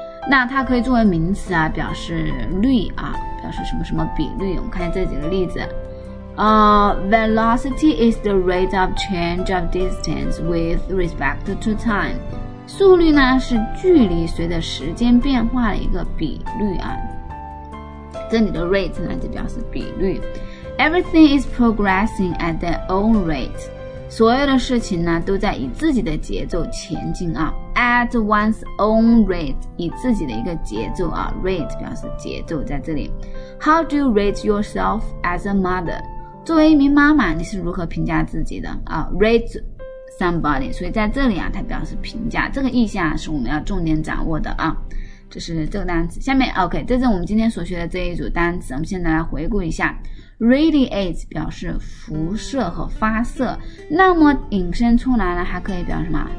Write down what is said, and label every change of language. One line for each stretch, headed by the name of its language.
Chinese: 那它可以作为名词啊，表示率啊，表示什么什么比率。我们看一下这几个例子，
English: velocity is the rate of change of distance with respect to time.
Chinese: 速率呢是距离随着时间变化的一个比率啊。这里的 rate 呢就表示比率。
English: Everything is progressing at their own rate.
Chinese: 所有的事情呢都在以自己的节奏前进啊。
English: At one's own rate，
Chinese: 以自己的一个节奏啊。 Rate 表示节奏在这里。
English: How do you rate yourself as a mother?
Chinese: 作为一名妈妈，你是如何评价自己的啊 ？Rate somebody， 所以在这里啊，它表示评价，这个意象是我们要重点掌握的啊。这是这个单词。下面 ，OK， 这是我们今天所学的这一组单词。我们现在来回顾一下 ，radiate 表示辐射和发射，那么引申出来呢，还可以表示什么？